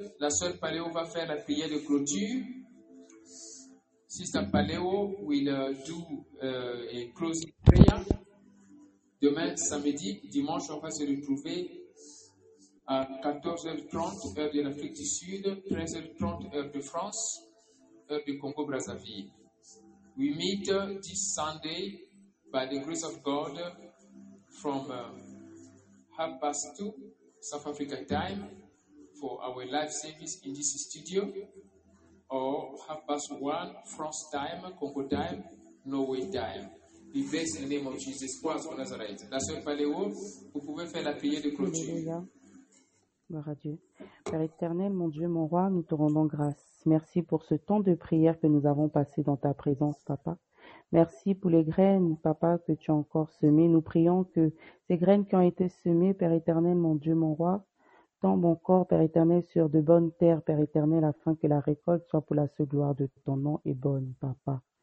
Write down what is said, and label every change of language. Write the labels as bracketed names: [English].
[French] La sœur Paléo va faire la prière de clôture. [English] Sister Paléo will do a closing prayer. [French] Demain, samedi, dimanche, on va se retrouver à 14h30, heure de l'Afrique du Sud, 13h30, heure de France, heure du Congo-Brazzaville. [English] We meet this Sunday, by the grace of God, from 2:30 South African time for our live service in this studio, or 1:30 France time, Congo time, Norway time. We bless the name of Jesus Christ of Nazareth. [French] La Sœur Paléo, vous pouvez faire la prière de clôture. Gloire à Dieu. Père éternel, mon Dieu, mon roi, nous te rendons grâce. Merci pour ce temps de prière que nous avons passé dans ta présence, papa. Merci pour les graines, papa, que tu as encore semées. Nous prions que ces graines qui ont été semées, Père éternel, mon Dieu, mon roi, tombent encore, Père éternel, sur de bonnes terres, Père éternel, afin que la récolte soit pour la seule gloire de ton nom et bonne, papa.